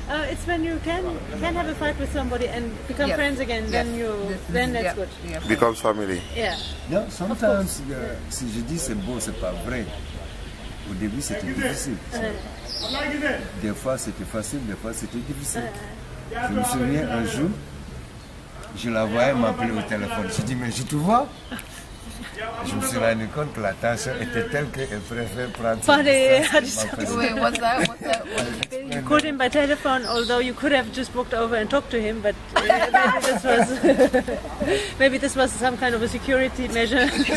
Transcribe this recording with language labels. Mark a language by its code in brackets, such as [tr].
[en] It's when you can have a fight with somebody and become friends again. Yes. Then you then that's good. Yeah. Becomes family. Yeah. Yeah. [fr] Sometimes, si je dis c'est beau, c'est pas vrai. Au début, c'était difficile. Des fois, c'était facile. Des fois, c'était difficile. Je me souviens un jour. Je la voyais m'appeler au téléphone. Je dis, mais je te vois. Je me suis rendu compte que la tension était telle qu'elle préfère prendre son distance. [en] What's that? You called him by telephone, although you could have just walked over and talked to him, but maybe this was maybe this was some kind of a security measure.